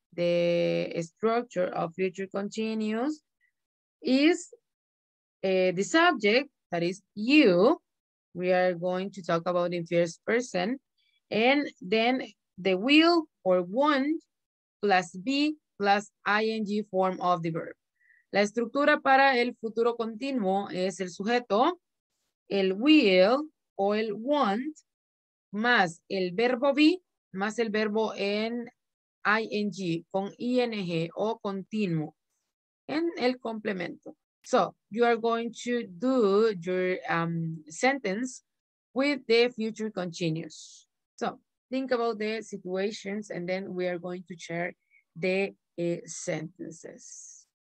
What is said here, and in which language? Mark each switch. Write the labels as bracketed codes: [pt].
[en] The structure of future continuous is the subject, that is you. We are going to talk about in first person, and then the will or want plus be plus ing form of the verb. [es] La estructura para el futuro continuo es el sujeto, el will o el want, más el verbo be, más el verbo en ing, con ing o continuo, en el complemento. [en] So you are going to do your sentence with the future continuous. So think about the situations, and then we are going to share the sentences.